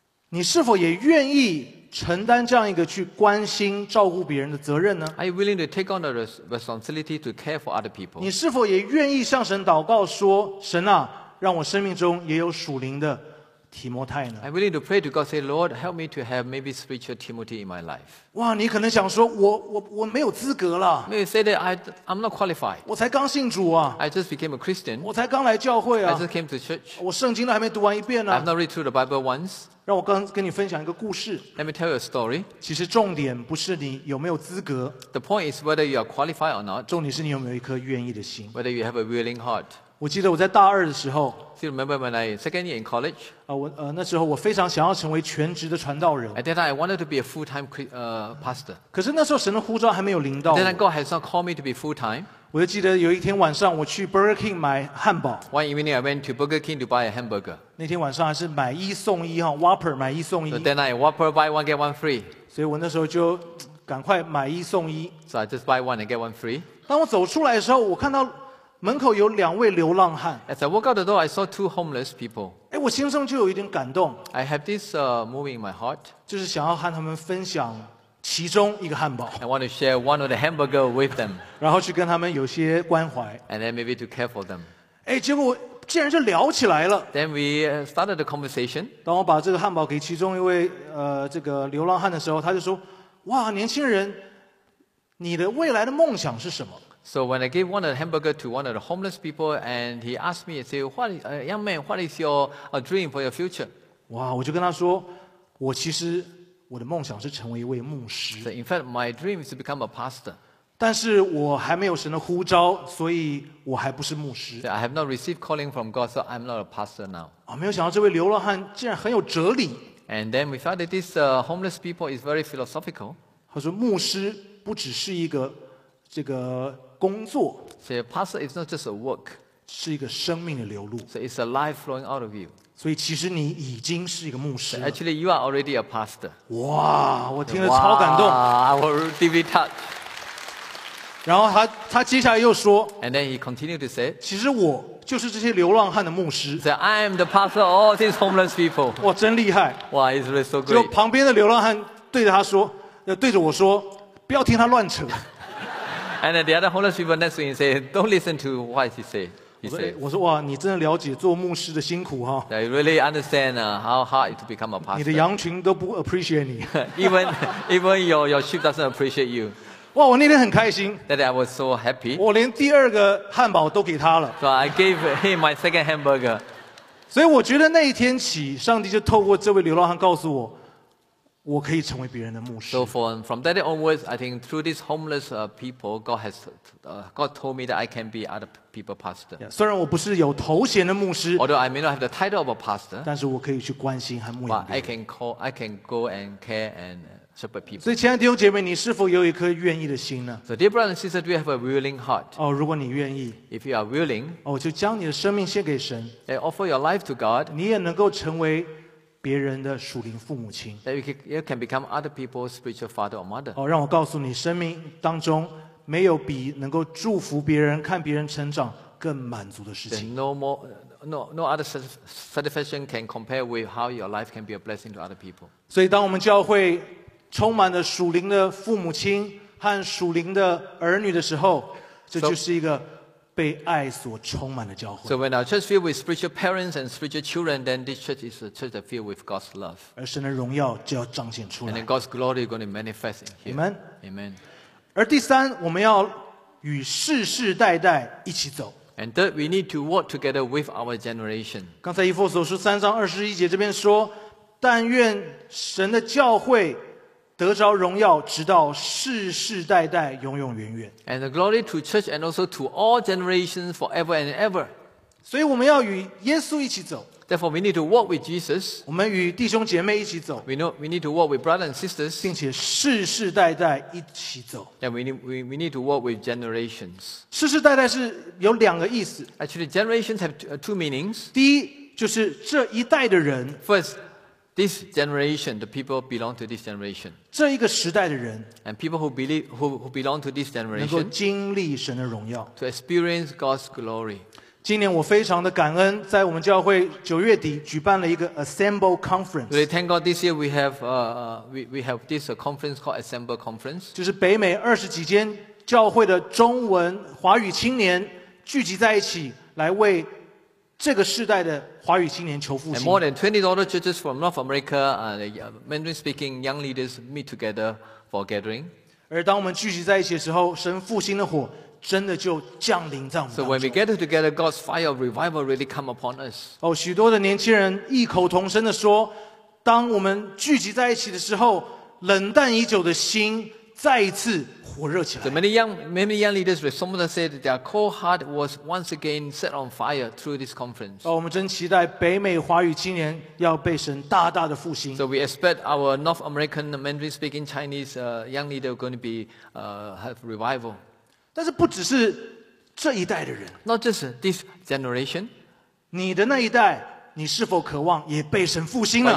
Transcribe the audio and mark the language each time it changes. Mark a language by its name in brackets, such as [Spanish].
[Chinese] 你是否也愿意承担这样一个去关心照顾别人的责任呢 [English] Are you willing to take on the responsibility to care for other people [Chinese] 你是否也愿意向神祷告说神啊让我生命中也有属灵的提摩太呢 [English] Are you willing to pray to God say Lord help me to have maybe spiritual Timothy in my life [Chinese] 哇你可能想说我没有资格了 [English] Maybe say that I'm not qualified [Chinese] 我才刚信主啊 [English] I just became a Christian [Chinese] 我才刚来教会啊 [English] I just came to church [Chinese] 我圣经都还没读完一遍呢、啊、 [English] I've not read through the Bible once [Chinese] 让我跟你分享一个故事 [English] Let me tell you a story [Chinese] 其实重点不是你有没有资格 [English] The point is whether you are qualified or not [Chinese] 重点是你有没有一颗愿意的心 [English] Whether you have a willing heart [Chinese] 我记得我在大二的时候 [English] Do you remember when I second year in college? [Chinese] 那时候我非常想要成为全职的传道人 [English] At that time I wanted to be a full-time pastor [Chinese] 可是那时候神的呼召还没有临到 [English] Then God has not called me to be full-time [Chinese] 我就记得有一天晚上我去 Burger King 买汉堡 [English] One evening I went to Burger King to buy a hamburger [Chinese] 那天晚上还是买一送一 Whopper 买一送一 [English] So then I Whopper buy one get one free [Chinese] 所以我那时候就赶快买一送一。 [English] So I just buy one and get one free. [Chinese] 当我走出来的时候，我看到门口有两位流浪汉。 [English] As I walk out the door, I saw two homeless people. [Chinese] 哎，我心中就有一点感动。 [English] I have this moving in my heart. [Chinese] 就是想要和他们分享其中一个汉堡。 [English] I want to share one of the hamburger with them. [Chinese] 然后去跟他们有些关怀。 [English] And then maybe to care for them. [Chinese] 哎，结果竟然就聊起来了。 [English] Then we started the conversation. [Chinese] 当我把这个汉堡给其中一位这个流浪汉的时候，他就说：“哇，年轻人，你的未来的梦想是什么？” [English] So when I gave one of the hamburger to one of the homeless people, and he asked me, he said, "What, young man, what is your dream for your future?" [Chinese] 哇，我就跟他说，我其实我的梦想是成为一位牧师。 [English] So in fact, my dream is to become a pastor. [Chinese] 但是我还没有神的呼召，所以我还不是牧师。 [English] So I have not received calling from God, so I'm not a pastor now. [Chinese] 啊，没有想到这位流浪汉竟然很有哲理。 [English] And then we found that this homeless people is very philosophical. [Chinese] 他说，牧师不只是一个这个工作。 [English] So pastor is not just a work. [Chinese] 是一个生命的流露。 [English] So it's a life flowing out of you. [Chinese] 所以其实你已经是一个牧师了。 [English] So、actually, you are already a pastor. [Chinese] 哇，我听了超感动。 [English] Wow, I was deeply touched. [Chinese] 然后他接下来又说。 [English] And then he continued to say. [Chinese] 其实我就是这些流浪汉的牧师。 [English] So I am the pastor of all these homeless people. [Chinese] 哇，真厉害。 [English] Wow, it's really so great. [Chinese] 就旁边的流浪汉对着他说，对着我说，不要听他乱扯。 [English] And the other homeless people next to him say, "Don't listen to what he say." He say, [Chinese] 我说哇，你真的了解做牧师的辛苦哈。 [English] I really understand how hard it to become a pastor. [Chinese] 你的羊群都不 appreciate 你。 [English] even your sheep doesn't appreciate you. [Chinese] 哇，我那天很开心。 [English] That day I was so happy. [Chinese] 我连第二个汉堡都给他了。 [English] So I gave him my second hamburger. [Chinese] 所以我觉得那一天起，上帝就透过这位流浪汉告诉我。我可以成为别人的牧师。 [English] So from that day onwards, I think through these homeless people, God has God told me that I can be other people's pastor. [Chinese] Yeah, 虽然我不是有头衔的牧师 [English] ，although I may not have the title of a pastor, [Chinese] 但是我可以去关心和牧养别人。 [English] But I can go and care and shepherd people. [Chinese] 所以，亲爱的弟兄姐妹，你是否有一颗愿意的心呢 [English] ？So dear brothers and sisters, do you have a willing heart? [Chinese] 哦，如果你愿意 [English] ，if you are willing, [Chinese] 哦，就将你的生命献给神 [English] ，and offer your life to God, [Chinese] 你也能够成为。别人的属灵父母亲 [English] you can become other people's spiritual father or mother、 [Chinese] 哦、让我告诉你生命当中没有比能够祝福别人看别人成长更满足的事情 [English] no other satisfaction can compare with how your life can be a blessing to other people [Chinese] 所以当我们教会充满了属灵的父母亲和属灵的儿女的时候这就是一个被爱所充满的教会。 [English] So when our church filled with spiritual parents and spiritual children, then this church is a church that filled with God's love. [Chinese] 而神的荣耀就要彰显出来。 [English] And then God's glory is going to manifest in here. Amen. Amen. [Chinese] 而第三，我们要与世世代代一起走。 [English] And third, we need to walk together with our generation. [Chinese] 刚才以弗所书三章二十一节这边说，但愿神的教会。得着荣耀直到世世代代永永远远 [English] And the glory to church and also to all generations forever and ever [Chinese] 所以我们要与耶稣一起走 [English] Therefore we need to walk with Jesus [Chinese] 我们与弟兄姐妹一起走 [English] We need to walk with brothers and sisters [Chinese] 并且世世代代一起走 [English] And we need to walk with generations [Chinese] 世世代代是有两个意思 [English] Actually generations have two meanings [Chinese] 第一就是这一代的人 [English] FirstThis generation, the people belong to this generation. [Chinese] 这一个时代的人 [English] And people who believe, who belong to this generation, [Chinese] 能够经历神的荣耀 [English] to experience God's glory. [Chinese] 今年我非常的感恩，在我们教会九月底举办了一个 Assemble Conference. [English] Really, thank God this year we have this conference called Assemble Conference. [Chinese] 就是北美二十几间教会的中文华语青年聚集在一起，来为这个世代的华语青年求复兴。 [English] And more than 20 other churches from North America, Mandarin speaking young leaders meet together for gathering. [Chinese] 而当我们聚集在一起的时候，神复兴的火真的就降临在我们当中。 [English] So when we gather together, God's fire of revival really come upon us. [Chinese] 哦，许多的年轻人异口同声地说，当我们聚集在一起的时候，冷淡已久的心再一次火热起来。 [English] So many young leaders, some of them said their cold heart was once again set on fire through this conference. [Chinese] 哦，我们真期待北美华语青年要被神大大的复兴。 [English] So we expect our North American Mandarin speaking Chinese young leader going to be have revival. [Chinese] 但是不只是这一代的人。 [English] Not just this generation. [Chinese] 你的那一代。你是否渴望也被神复兴了